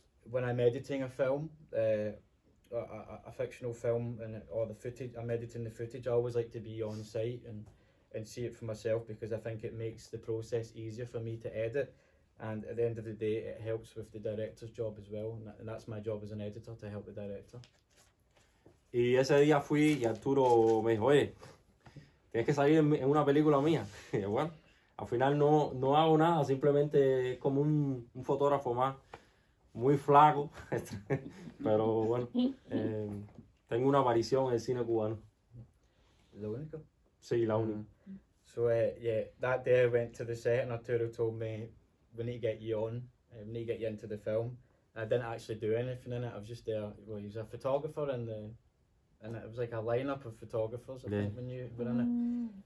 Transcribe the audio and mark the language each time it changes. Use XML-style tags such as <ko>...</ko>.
<en>When I'm editing a film, a fictional film, and or the footage, I'm editing the footage, I always like to be on site and see it for myself because I think it makes the process easier for me to edit. And at the end of the day, it helps with the director's job as well. And that's my job as an editor, to help the director.</en> <es>Y ese día fui y Arturo me dijo, oye, tienes que salir en una película mía. Y bueno, al final no hago nada, simplemente es como un fotógrafo más, muy flaco. Pero bueno, tengo una aparición en el cine cubano. ¿La única? Sí, la única.</es> <en>So, yeah, that day I went to the set and Arturo told me, we need to get you on, we need to get you into the film. I didn't actually do anything in it, I was just there, well, he was a photographer in the... And it was like a lineup of photographers, I think, when you were in it.</en>